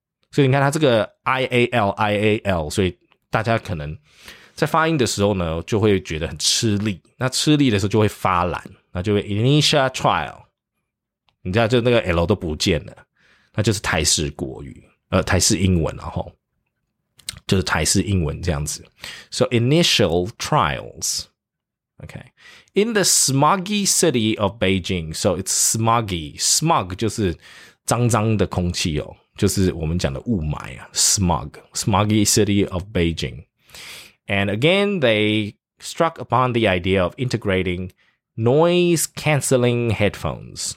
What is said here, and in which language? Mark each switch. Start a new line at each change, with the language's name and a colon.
Chinese: 所以你看它这个 IAL, 所以大家可能在发音的时候呢，就会觉得很吃力。那吃力的时候就会发懒，那就会
English: initial trial。
Chinese: 你知道，就那个 L 都不见了，那就是台式国语，台式英文，然后就是台式英文这样子。
English: So initial trials, okay, in the smoggy city of Beijing. So it's smoggy.
Chinese: Smog 就是脏脏的空气哦，就是我们讲的雾霾啊。
English: Smog, smoggy city of Beijing. And again, they struck upon the idea of integrating noise-canceling headphones.